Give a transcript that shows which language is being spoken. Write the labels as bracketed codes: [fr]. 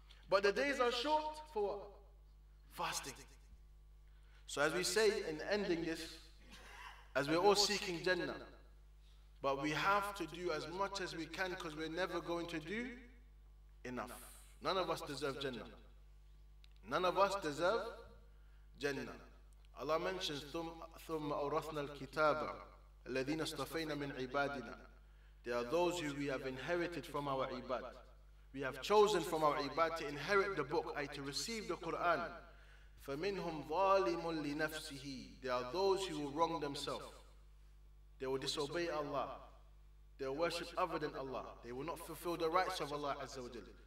[en] But the days are short for what? Fasting. So as we say in ending this, as we're all seeking Jannah, but we have to do as much as we can because we're never going to do enough. None of us deserve Jannah. None of us deserve Jannah. Allah mentions, [ar] ثم أورثنا الكتاب الذين اصطفينا من عبادنا. [en] They are those who we have inherited from our ibad. We have chosen from our ibad to inherit the book, I to receive the Quran. [ar] فمنهم ظالم لنفسه. [en] They are those who will wrong themselves. They will disobey Allah. They will worship other than Allah. They will not fulfill the rights of Allah Azza wa Jal.